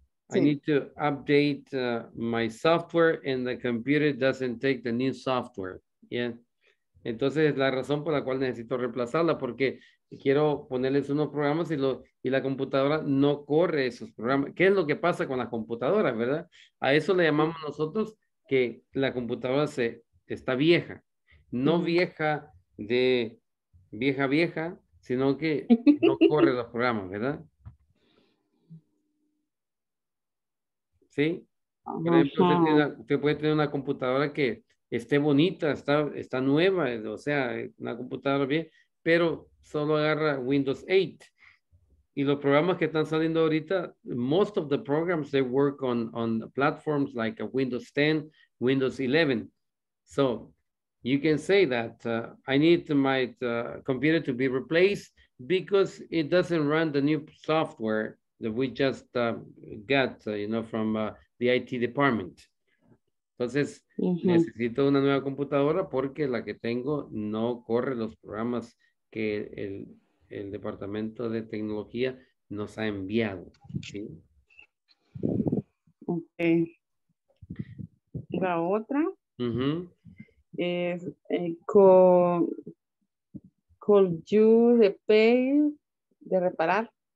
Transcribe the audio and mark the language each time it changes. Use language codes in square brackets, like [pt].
[en] I need to update my software and the computer doesn't take the new software. Yeah. [es] Entonces la razón por la cual necesito reemplazarla porque quiero ponerles unos programas y la computadora no corre esos programas. ¿Qué es lo que pasa con las computadoras, verdad? A eso le llamamos nosotros que la computadora está vieja. No vieja de vieja, sino que no corre los programas, ¿verdad? ¿Sí? Por ejemplo, usted puede tener una computadora que esté bonita, está nueva, o sea, una computadora bien, pero solo agarra Windows 8. Y los programas que están saliendo ahorita, [en] most of the programs, they work on platforms like a Windows 10, Windows 11. So, you can say that I need my computer to be replaced because it doesn't run the new software that we just got, you know, from the IT department. [es] Entonces, necesito una nueva computadora porque la que tengo no corre los programas que el departamento de tecnología nos ha enviado. ¿Sí? Ok. La otra es, [en] could you [es] reparar?